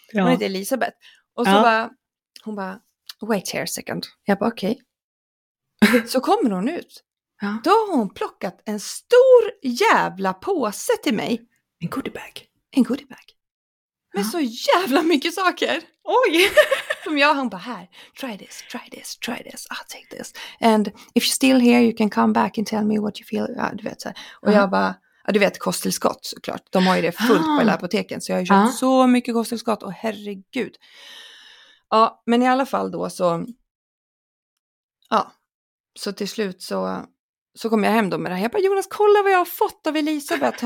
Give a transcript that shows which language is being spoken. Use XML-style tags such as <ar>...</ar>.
<sv>Hon heter Elisabeth. Och så bara, hon bara,</sv> <en>wait here a second.</en> <sv>Jag bara, okej. Okay. Så kommer hon ut. Ja. Då har hon plockat en stor jävla påse till mig. En goodie bag. En goodie bag. Med så jävla mycket saker. Oj! Som jag, hon bara, här,</sv> <en>try this, I'll take this. And if you're still here, you can come back and tell me what you feel.</en> <sv>Ja, du vet så. Och jag bara... Ja, du vet, kosttillskott såklart. De har ju det fullt på hela apoteken. Så jag har ju köpt så mycket kosttillskott. Och herregud. Ja, men i alla fall då så... Ja. Så till slut så kom jag hem då med det här. Jag bara, Jonas, kolla vad jag har fått av Elisabeth.</sv>